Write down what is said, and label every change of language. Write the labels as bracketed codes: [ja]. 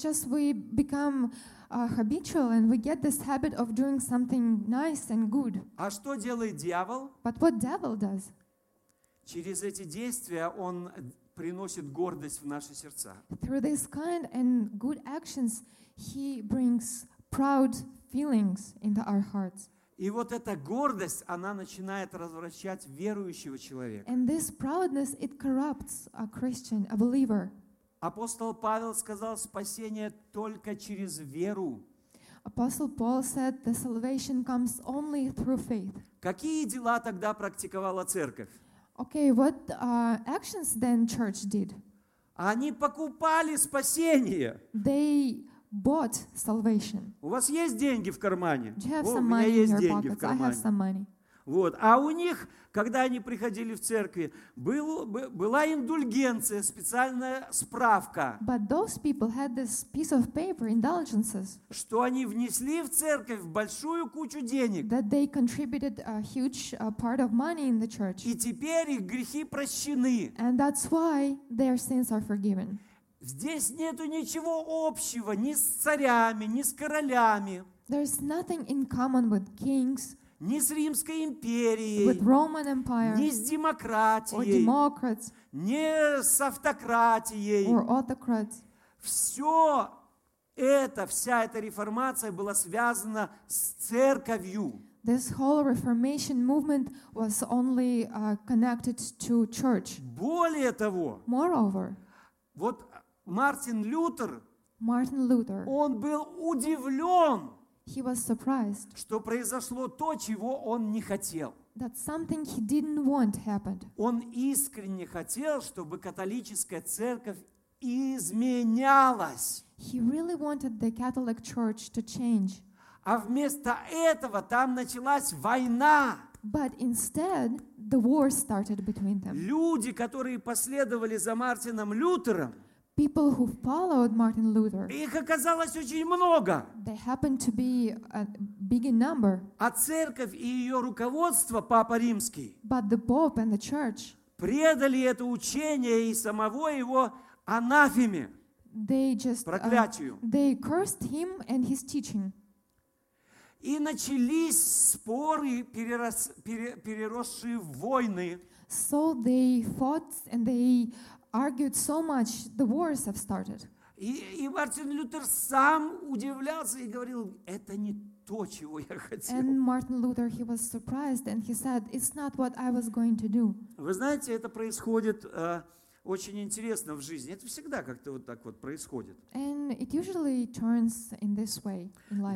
[en] We become habitual and we get this habit of doing something nice and good. [ru] А что делает дьявол? [en] But what devil does? [ru] Через эти действия он приносит гордость в наши сердца. [en] Through these kind and good actions, he brings proud feelings into our hearts. [ru] И вот эта гордость, она начинает развращать верующего человека. [en] And this proudness, it corrupts a Christian, a believer. [ru] Апостол Павел сказал, спасение только через веру. [en] Apostle Paul said, the salvation comes only through faith. [ru] Какие дела тогда практиковала церковь? [en] Okay, what actions then church did? [ru] Они покупали спасение. [en] They bought salvation. [ru] У вас есть деньги в кармане? [en] Do you have some money in your pockets? I have some money. [ru] Вот. А у них, когда они приходили в церкви, была индульгенция, специальная справка. [en] But those people had this piece of paper, indulgences. [ru] Что они внесли в церковь большую кучу денег. [en] That they contributed a huge part of money in the church. [ru] И теперь их грехи прощены. [en] And that's why their sins are forgiven. [ru] Здесь нету ничего общего ни с царями, ни с королями. [en] There's nothing in common with kings. [ru] Ни с Римской империей, [en] with Roman Empire, [ru] ни с демократией, [en] or [ru] ни с автократией. [en] Or autocrats. [ru] Все это, вся эта реформация была связана с церковью. [en] This whole Reformation movement was only connected to church. [ru] Более того, [en] moreover, [ru] вот Мартин Лютер, он был удивлен. [en] He was surprised. [ru] Что произошло то, чего он не хотел. [en] That something he didn't want happened. [ru] Он искренне хотел, чтобы католическая церковь изменялась. [en] He really wanted the Catholic Church to change. [ru] А вместо этого там началась война. [en] But instead, the war started between them. [ru] Люди, которые последовали за Мартином Лютером, [en] people who followed Martin Luther. [ru] Их оказалось очень много. [en] They happened to be a big number. [ru] А церковь и ее руководство, Папа Римский, [en] but the Pope and the church, [ru] предали это учение и самого его анафеме. [en] They just [ru] проклятию. [en] They cursed him and his teaching. [ru] И начались споры, переросшие в войны. [en] So they fought and they argued so much, the wars have started. [ru] И Мартин Лютер сам удивлялся и говорил, это не то, чего я хотел. [en] And Martin Luther, he was surprised and he said, it's not what I was going to do. [ru] Вы знаете, это происходит очень интересно в жизни. Это всегда как-то вот так вот происходит. [en] And it usually turns in this way in life.